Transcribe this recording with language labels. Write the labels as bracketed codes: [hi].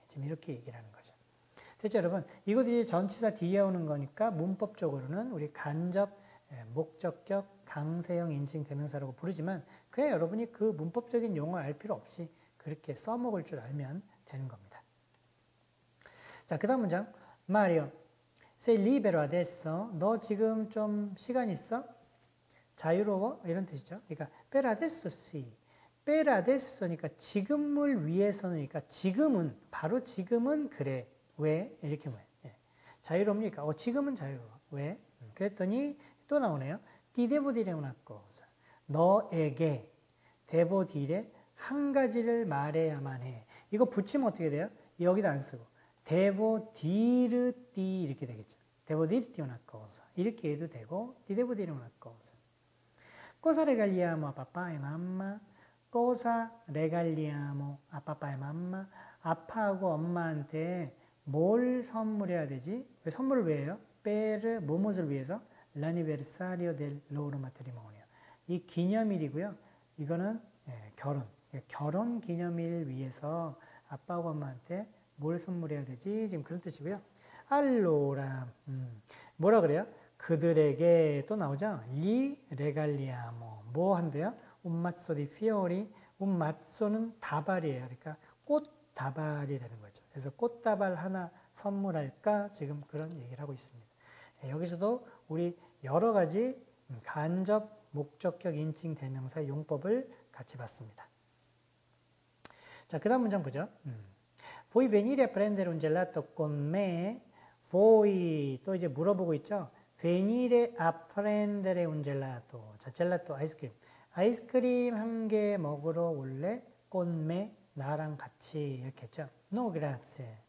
[ko] 지금 이렇게 얘기를 하는 거죠. 됐죠, 여러분? 이것도 이제 전치사 뒤에 오는 거니까 문법적으로는 우리 간접, 목적격, 강세형 인칭 대명사라고 부르지만 그냥 여러분이 그 문법적인 용어를 알 필요 없이 그렇게 써먹을 줄 알면 되는 겁니다. 자, 그 다음 문장. [it] 마리오, sei libero adesso? [ko] 너 지금 좀 시간 있어? 자유로워? 이런 뜻이죠. [it] 그러니까 per adesso sì. per adesso [ko] 니까 지금을 위해서니까 지금은, 바로 지금은 그래. 왜? 이렇게 뭐예요. 예. 자유롭니까? 지금은 자유로워. 왜? 그랬더니 또 나오네요. [it] ti devo dire una cosa. [ko] 너에게 [it] devo dire [ko] 한 가지를 말해야만 해. 이거 붙이면 어떻게 돼요? 여기도 안 쓰고. [it] Devo dirti [ko] 이렇게 되겠죠. [it] Devo dirti una cosa. [ko] 이렇게 해도 되고 [it] Ti devo dire una cosa. Cosa regaliamo a papà e mamma? Cosa regaliamo a papà e mamma? [ko] 아빠하고 엄마한테 뭘 선물해야 되지? 왜 선물을 왜 해요? Per 무엇을 위해서? [it] L'anniversario del loro matrimonio. [ko] 이 기념일이고요. 이거는 결혼. 결혼 기념일 위해서 아빠하고 엄마한테 뭘 선물해야 되지? 지금 그런 뜻이고요. Allora, 뭐라 그래요? 그들에게 또 나오죠? [it] Gli regaliamo. [ko] 뭐 한대요? [it] Un mazzo di fiori. Un mazzo [ko] 는 다발이에요. 그러니까 꽃다발이 되는 거죠. 그래서 꽃다발 하나 선물할까? 지금 그런 얘기를 하고 있습니다. 여기서도 우리 여러 가지 간접, 목적격, 인칭, 대명사의 용법을 같이 봤습니다. 자, 그 다음 문장 보죠. [it] Vuoi venire a prendere un gelato con me? [ko] Vuoi 또 이제 물어보고 있죠? [it] Venire a prendere un gelato. [ko] 자, gelato 아이스크림. 아이스크림 한 개 먹으러 올래? [it] Con me [ko] 나랑 같이 이렇게 했죠? [it] No grazie.